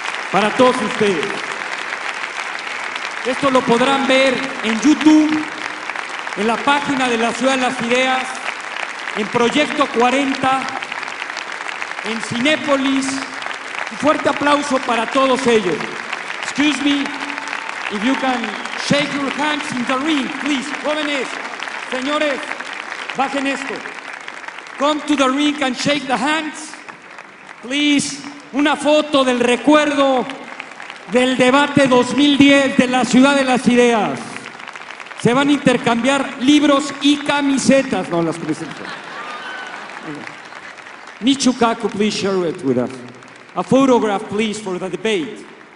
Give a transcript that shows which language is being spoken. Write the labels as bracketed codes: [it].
[es] Para todos ustedes. Esto lo podrán ver en YouTube, en la página de la Ciudad de las Ideas, en Proyecto 40, en Cinépolis. Un fuerte aplauso para todos ellos. [en] Excuse me, if you can shake your hands in the ring, please. [es] Jóvenes, señores, bajen esto. [en] Come to the ring and shake the hands. Please, [es] una foto del recuerdo del debate 2010 de la Ciudad de las Ideas. Se van a intercambiar libros y camisetas. No, las presento. [en] Michio Kaku, please share it with us. A photograph, please, for the debate.